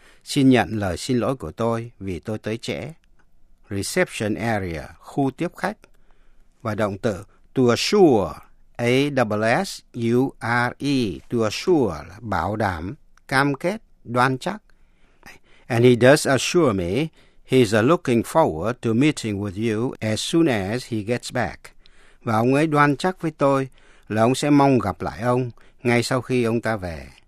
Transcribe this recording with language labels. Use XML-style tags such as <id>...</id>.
<vi>Xin nhận lời xin lỗi của tôi vì tôi tới trễ. Reception area, khu tiếp khách. Và động từ to assure, A-S-S-U-R-E, to assure là bảo đảm, cam kết, đoan chắc.</vi> <en>And he does assure me he's looking forward to meeting with you as soon as he gets back.</en> <vi>Và ông ấy đoan chắc với tôi là ông sẽ mong gặp lại ông ngay sau khi ông ta về.</vi>